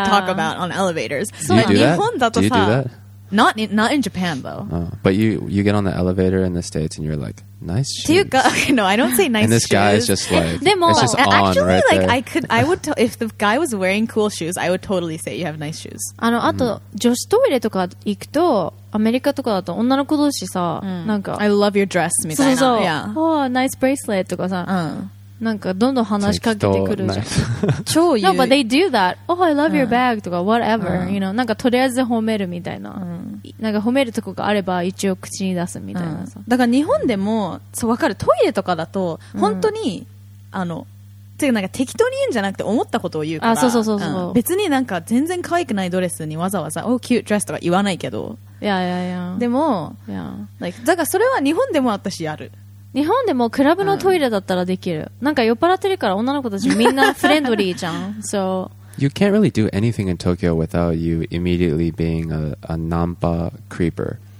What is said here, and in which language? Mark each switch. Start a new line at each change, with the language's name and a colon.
English: talk about on elevators. Do you do that? Not in Japan though. But you get on the elevator in the States and you're like nice shoes. Do you go? Okay, no, I don't say nice. And this guy is just like it's just actually on right like there. I would if the guy was wearing cool shoes, I would totally say you have nice shoes.
Japanese: あのあと女子トイレとか行くとアメリカとかだと女の子同士さ、なんか
English: I love your dress
Japanese: みたいな。そうそう。
English: Yeah. Oh, nice bracelet
Japanese: とかさ。なんかどんどん話しかけてくるじゃん。超いい。
English: No, but they do that. Oh, I love your bag
Japanese: とか
English: whatever. You know,
Japanese: なんかとりあえず褒めるみたいな。なんか褒めるとこがあれば一応口に出すみたいなさ。だから日本でもそう分かる。トイレとかだと本当に、あのていうかなんか適当に言うんじゃなくて思ったことを言うから。あ、そうそうそうそう。別になんか全然可愛くないドレスにわざわざ
English: Oh, cute dress
Japanese: とか言わないけど。いや。でも、だからそれは日本でも私やる。日本でもクラブのトイレだったらできる。なんか酔っ払ってるから女の子たちみんなフレンドリーじゃん。
English: So you can't really do anything in Tokyo without you immediately being a nampa creeper.